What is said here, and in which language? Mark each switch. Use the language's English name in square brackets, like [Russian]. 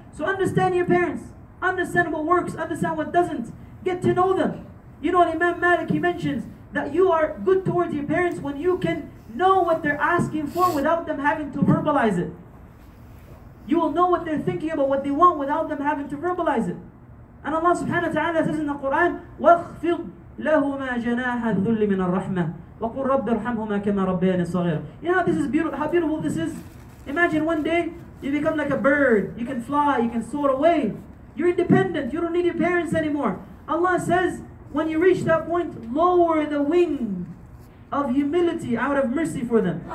[English] So understand your parents, understand what works, understand what doesn't, get to know them. You know what Imam Malik, he mentions, that you are good towards your parents when you can know what they're asking for without them having to verbalize it. You will know what they're thinking about, what they want, without them having to verbalize it. [Arabic] And Allah subhanahu wa ta'ala says in the Quran, وَخْفِضْ لَهُمَا جَنَاحَ الذُّلِّ مِنَ الرَّحْمَةِ وَقُلْ رَبِّ ارْحَمْهُمَا كَمَا رَبَّيَانِ صَغِيرًا. [English] You know how, this is beautiful, how beautiful this is? Imagine one day you become like a bird. You can fly, you can soar away. You're independent, you don't need your parents anymore. Allah says, when you reach that point, lower the wing of humility out of mercy for them.